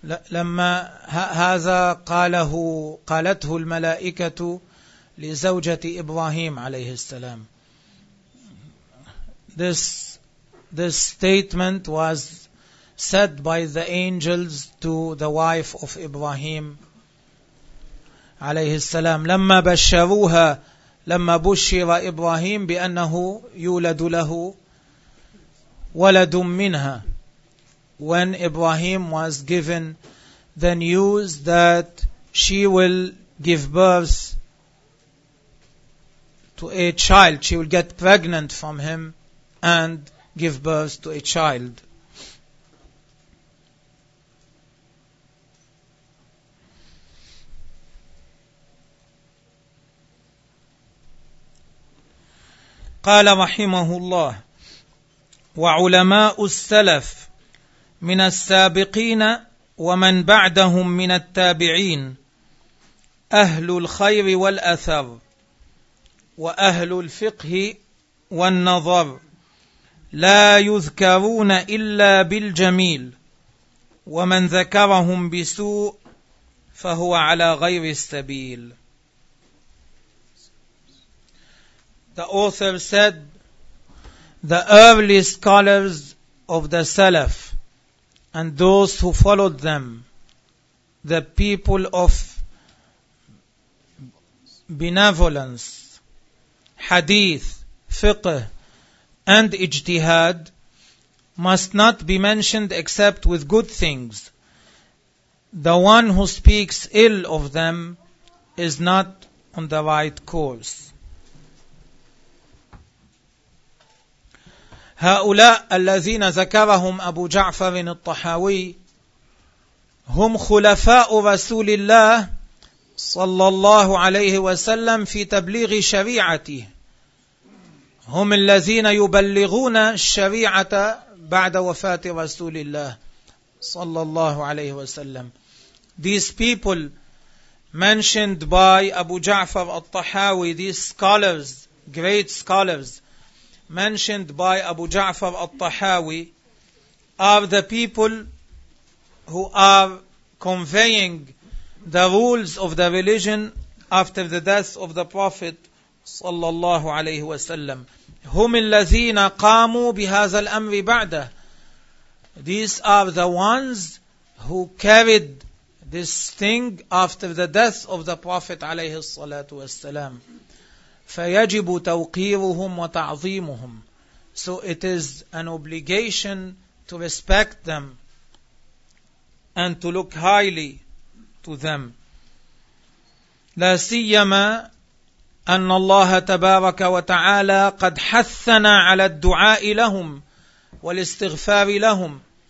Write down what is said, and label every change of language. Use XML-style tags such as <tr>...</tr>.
<ar>لما هذا قاله قالته الملائكة لزوجة إبراهيم عليه السلام.</ar> <en>This statement was said by the angels to the wife of Ibrahim عليه السلام.</en> <ar>لما بشروها لما بشر إبراهيم بأنه يولد له وَلَدٌ مِّنْهَا.</ar> <en>When Ibrahim was given the news that she will give birth to a child, she will get pregnant from him and give birth to a child.</en> <ar>قال رحمه الله وعلماء السلف من السابقين ومن بعدهم من التابعين أهل الخير والأثر وأهل الفقه والنظر لا يذكرون إلا بالجميل ومن ذكرهم بسوء فهو على غير السبيل.</ar> <en>The author said, the early scholars of the Salaf and those who followed them, the people of benevolence, hadith, fiqh, and ijtihad must not be mentioned except with good things. The one who speaks ill of them is not on the right course.</en> <ar>هؤلاء الذين ذكرهم أبو جعفر الطحاوي هم خلفاء رسول الله صلى الله عليه وسلم في تبليغ شريعته، هم الذين يبلغون الشريعة بعد وفاة رسول الله صلى الله عليه وسلم.</ar> <en>These people mentioned by Abu Ja'far al-Tahawi, these scholars, great scholars, mentioned by Abu Ja'far al-Tahawi are the people who are conveying the rules of the religion after the death of the Prophet صلى الله عليه وسلم.</en> <ar>هم الذين قاموا بهذا الأمر بعده.</ar> <en>These are the ones who carried this thing after the death of the Prophet عليه الصلاة والسلام.</en> <ar>فيجب توقيرهم وتعظيمهم.</ar> <en>So it is an obligation to respect them and to look highly to them.</en> <ar>لا سيما أن الله تبارك وتعالى قد حثنا على الدعاء لهم والاستغفار لهم.</ar>